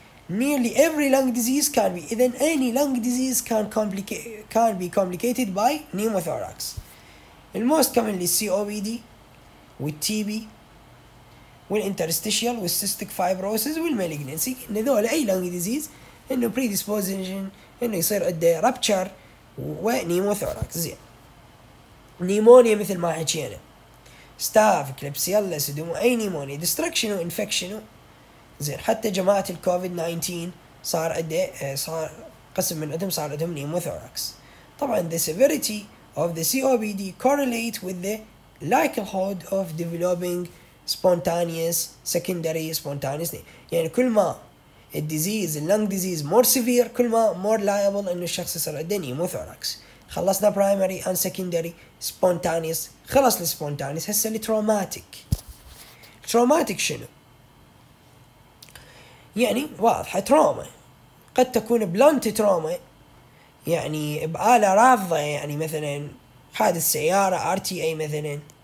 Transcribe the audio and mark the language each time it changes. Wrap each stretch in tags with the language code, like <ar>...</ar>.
<en>Nearly every lung disease can be,</en> <ar>إذن</ar> <en>any lung disease can be complicated by pneumothorax. The most commonly COPD with TB والانترستيشيال والسيستيك fibrosis والمالجنسي، ان ذول اي لانج ديزيز انه بريديسبوزيشن انه يصير قده رابتشر ونيموثوراكس.</en> <ar>زين نيمونيا مثل ما حكينا ستاف كليبسيلا سيدومو اي نيمونيا ديستركشن وانفكشن. زين حتى جماعه الكوفيد 19 صار قده صار قسم من عندهم صار عندهم نيموثوراكس. طبعا</ar> <en>the severity of the COPD correlate with the likelihood of developing spontaneous secondary spontaneous.</en> <ar>يعني كل ما الديزيز اللنج ديزيز مور سيفير كل ما مور لايبل انه الشخص يصير عنده نيموثوراكس. خلصنا برايمري اند سكندري سبونتانيس، خلص السبونتانيس. هسه التروماتيك، التروماتيك شنو يعني؟ واضحه تروما، قد تكون بلانت تروما يعني بآله رافضه، يعني مثلا حادث سياره ار تي اي مثلا.</ar>